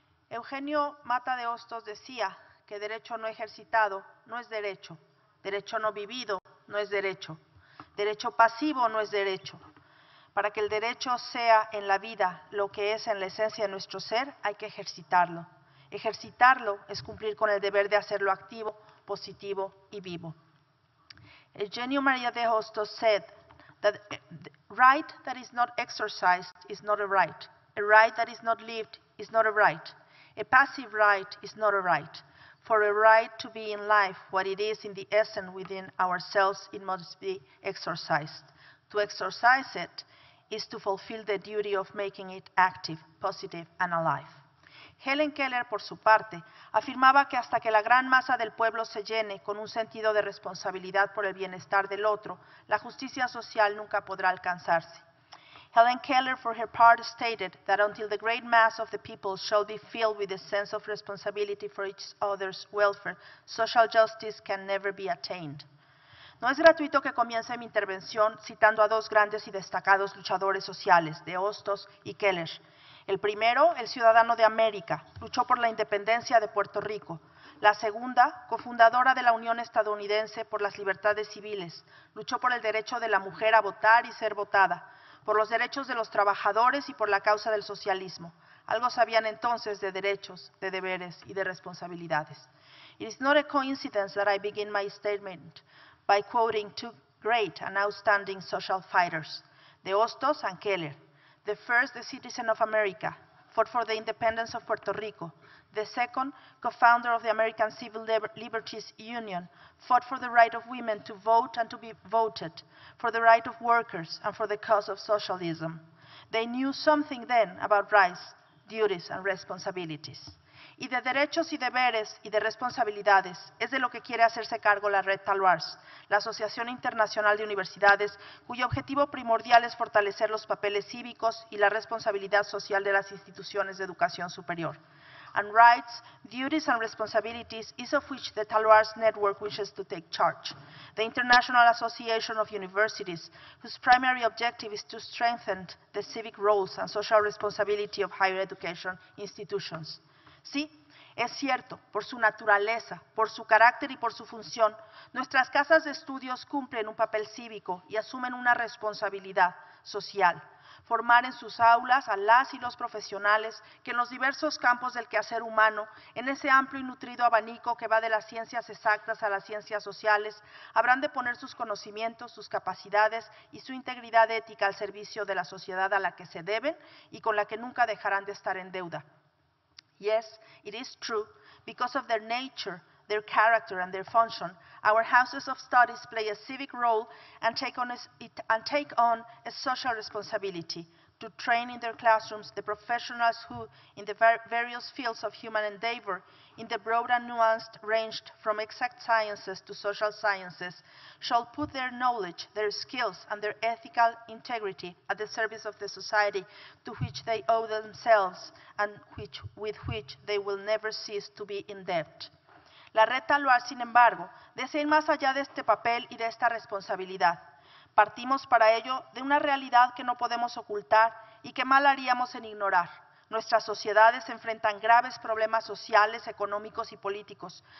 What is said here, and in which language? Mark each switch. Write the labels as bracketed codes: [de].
[es] Eugenio Mata de Hostos decía que derecho no ejercitado no es derecho, derecho no vivido no es derecho, derecho pasivo no es derecho. Para que el derecho sea en la vida lo que es en la esencia de nuestro ser, hay que ejercitarlo. Ejercitarlo es cumplir con el deber de hacerlo activo, positivo y vivo. [en] Eugenio María de Hostos said that the right that is not exercised is not a right. A right that is not lived is not a right. A passive right is not a right. For a right to be in life, what it is in the essence within ourselves, it must be exercised. To exercise it is to fulfill the duty of making it active, positive, and alive. [es] Helen Keller, por su parte, afirmaba que hasta que la gran masa del pueblo se llene con un sentido de responsabilidad por el bienestar del otro, la justicia social nunca podrá alcanzarse. [en] Helen Keller, for her part, stated that until the great mass of the people shall be filled with a sense of responsibility for each other's welfare, social justice can never be attained. [es] No es gratuito que comience mi intervención citando a dos grandes y destacados luchadores sociales, De Hostos y Keller. El primero, el ciudadano de América, luchó por la independencia de Puerto Rico. La segunda, cofundadora de la Unión Estadounidense por las Libertades Civiles, luchó por el derecho de la mujer a votar y ser votada, por los derechos de los trabajadores y por la causa del socialismo. Algo sabían entonces de derechos, de deberes y de responsabilidades. [en] It is not a coincidence that I begin my statement by quoting two great and outstanding social fighters, De Hostos and Keller. The first, a citizen of America, fought for the independence of Puerto Rico. The second, co-founder of the American Civil Liberties Union, fought for the right of women to vote and to be voted, for the right of workers and for the cause of socialism. They knew something then about rights, duties and responsibilities. [es] Y de derechos y deberes y de responsabilidades es de lo que quiere hacerse cargo la red TALUARS, la Asociación Internacional de Universidades, cuyo objetivo primordial es fortalecer los papeles cívicos y la responsabilidad social de las instituciones de educación superior. [en] And rights, duties and responsibilities is of which the TALUARS network wishes to take charge. The International Association of Universities, whose primary objective is to strengthen the civic roles and social responsibility of higher education institutions. [es] Sí, es cierto, por su naturaleza, por su carácter y por su función, nuestras casas de estudios cumplen un papel cívico y asumen una responsabilidad social. Formar en sus aulas a las y los profesionales que en los diversos campos del quehacer humano, en ese amplio y nutrido abanico que va de las ciencias exactas a las ciencias sociales, habrán de poner sus conocimientos, sus capacidades y su integridad ética al servicio de la sociedad a la que se deben y con la que nunca dejarán de estar en deuda. [en] Yes, it is true, because of their nature, their character and their function, our houses of studies play a civic role and take on a social responsibility to train in their classrooms the professionals who, in the various fields of human endeavor, in the broad and nuanced range from exact sciences to social sciences, shall put their knowledge, their skills, and their ethical integrity at the service of the society to which they owe themselves and with which they will never cease to be in debt. [es] La red TALUARS, sin embargo, desea ir más allá de este papel y de esta responsabilidad. Partimos para ello de una realidad que no podemos ocultar y que mal haríamos en ignorar. Nuestras sociedades se enfrentan graves problemas sociales, económicos y políticos.